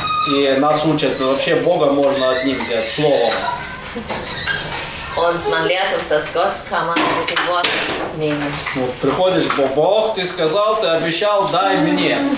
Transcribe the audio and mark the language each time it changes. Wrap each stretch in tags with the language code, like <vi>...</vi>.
<ru>И нас учат, вообще Бога можно одним взять, словом.</ru> <de>Und man lehrt uns, dass Gott kann man mit dem Wort nehmen.</de> <ru>Вот, приходишь, Бог, ты сказал, ты обещал, дай мне.</ru>